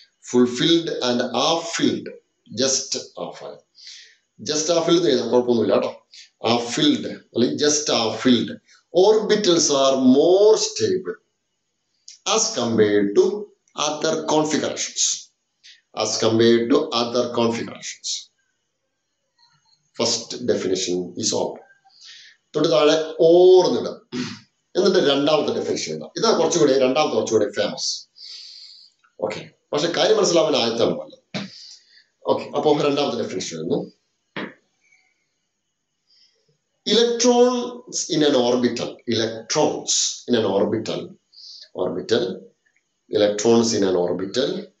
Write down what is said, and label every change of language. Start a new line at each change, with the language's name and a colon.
English: full filled and half filled,
Malayalam: just half ആയ, just half filled എഴുതാം, കുഴപ്പമൊന്നുമില്ല കേട്ടോ.
English: Half filled അല്ലെങ്കിൽ just half filled orbitals are more stable as compared to other configurations, as compared to other configurations. First definition is odd.
Malayalam: തൊട്ടുതാഴെ ഓർന്നിടാം. എന്നിട്ട് രണ്ടാമത്തെ definition ഇടാം. ഇതാ കുറച്ചുകൂടി, രണ്ടാമത്തെ കുറച്ചുകൂടി ഫേമസ്. ഓക്കെ, പക്ഷെ കാര്യം മനസ്സിലാവാൻ ആദ്യത്തെ പോലെ. ഓക്കെ, അപ്പോ രണ്ടാമത്തെ ഡെഫിനിഷൻ ഇടുന്നു.
English: electrons in an orbital, electrons in an orbital, orbital electrons in an orbital,